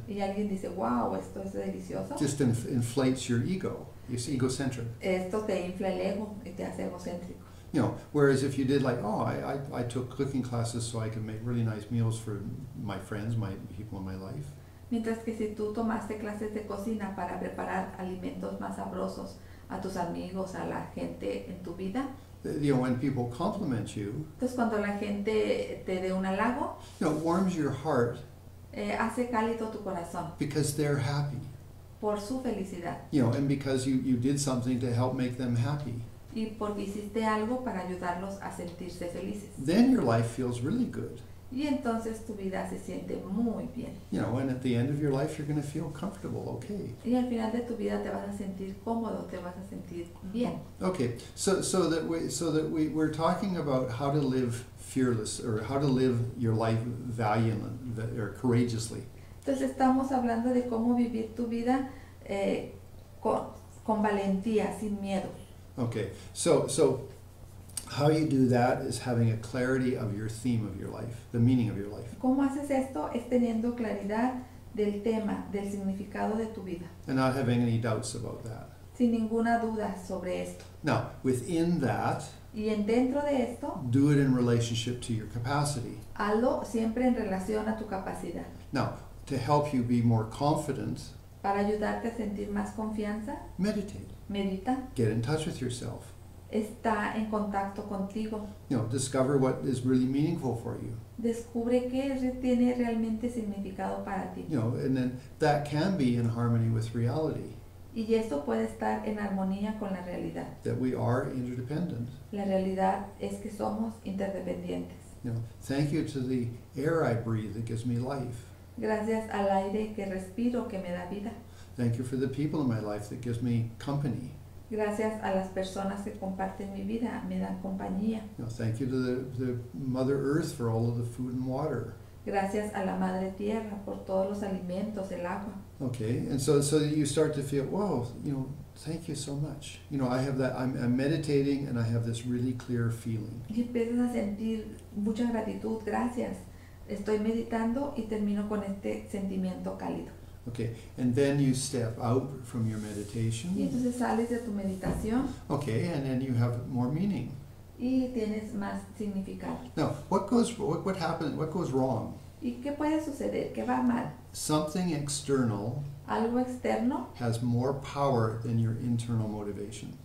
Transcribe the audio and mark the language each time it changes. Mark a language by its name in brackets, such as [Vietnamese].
[Spanish] Y alguien dice, wow, esto es delicioso. [English] Just inflates your ego. It's egocentric. [Spanish] Esto te infla el ego y te hace egocéntrico. [English] You know, whereas if you did like, oh, I took cooking classes so I can make really nice meals for my friends, my people in my life. [Spanish] Mientras que si tú tomaste clases de cocina para preparar alimentos más sabrosos a tus amigos, a la gente en tu vida. [English] You know, when people compliment you. [Spanish] Entonces cuando la gente te dé un halago. [English] You know, it warms your heart. [Spanish] Hace cálido tu corazón. [English] Because they're happy. [Spanish] Por su felicidad. [English] You know, and because you did something to help make them happy. [Spanish] Y porque hiciste algo para ayudarlos a sentirse felices. [English] Then your life feels really good. [Spanish] Y entonces tu vida se siente muy bien. [English] You know, and at the end of your life, you're going to feel comfortable, okay. [Spanish] Y al final de tu vida te vas a sentir cómodo, te vas a sentir bien. [English] Okay, so that we're talking about how to live fearless, or how to live your life valiantly, or courageously. [Spanish] Entonces estamos hablando de cómo vivir tu vida con valentía, sin miedo. [English] Okay, so how you do that is having a clarity of your theme of your life, the meaning of your life. [Spanish] ¿Cómo haces esto? Es teniendo claridad del tema, del significado de tu vida. [English] And not having any doubts about that. [Spanish] Sin ninguna duda sobre esto. [English] Now, within that, [Spanish] y en dentro de esto, [English] do it in relationship to your capacity. [Spanish] Hazlo siempre en relación a tu capacidad. [English] Now, to help you be more confident, [Spanish] para ayudarte a sentir más confianza, [English] meditate. [Spanish] Medita. [English] Get in touch with yourself. [Spanish] Está en contacto contigo. [English] You know, discover what is really meaningful for you. [Spanish] Descubre qué tiene realmente significado para ti. [English] You know, and then that can be in harmony with reality. [Spanish] Y esto puede estar en armonía con la realidad. [English] That we are interdependent. [Spanish] La realidad es que somos interdependientes. [English] You know, thank you to the air I breathe that gives me life. [Spanish] Gracias al aire que respiro que me da vida. [English] Thank you for the people in my life that gives me company. [Spanish] Gracias a las personas que comparten mi vida, me dan compañía. [English] You know, thank you to the Mother Earth for all of the food and water. [Spanish] Gracias a la Madre Tierra por todos los alimentos, el agua. [English] Okay, and so you start to feel, wow, you know, thank you so much. You know, I have that, I'm meditating and I have this really clear feeling. [Spanish] Y empiezas a sentir mucha gratitud, gracias. Estoy meditando y termino con este sentimiento cálido. [English] Okay, and then you step out from your meditation. [Spanish] Y entonces sales de tu meditación. [English] Okay, and then you have more meaning. [Spanish] Y tienes más significado. [English] Now, what happens, what goes wrong? [Spanish] ¿Y qué puede suceder? ¿Qué va mal? [English] Something external, [Spanish] algo externo, [English] has more power than your internal motivation.